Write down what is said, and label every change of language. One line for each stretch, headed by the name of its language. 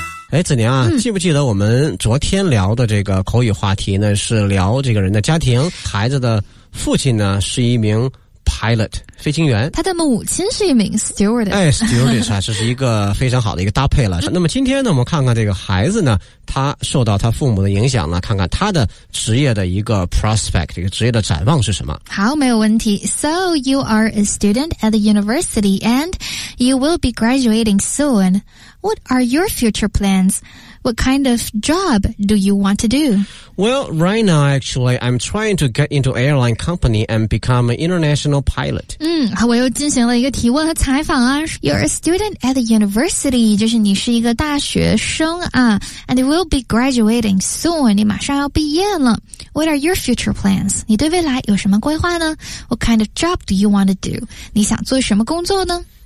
Chinese: 哎，子宁啊，记不记得我们昨天聊的这个口语话题呢，是聊这个人的家庭，孩子的父亲呢，是一名pilot 飞行员，他的母亲是一名 stewardess。哎， stewardess 啊，这是一个非常好的一个搭配了。那么今天呢，我们看看这个孩子呢，他受到他父母的影响呢，看看他的职业的一个 prospect， 这个职业的展望是什么。好，没有问题。
English: So you are a student at the university and you will be graduating soon. What are your future plans? What kind of job do you want to do? Well, right now, actually, I'm trying to get into airline company and become an international pilot.
Chinese: 嗯，我又进行了一个提问和采访啊。
English: You're a student at the university,
Chinese: 就是你是一个大学生啊。
English: And you will be graduating soon,
Chinese: 你马上要毕业了。
English: What are your future plans?
Chinese: 你对未来有什么规划呢？
English: What kind of job do you want to do?
Chinese: 你想做什么工作呢？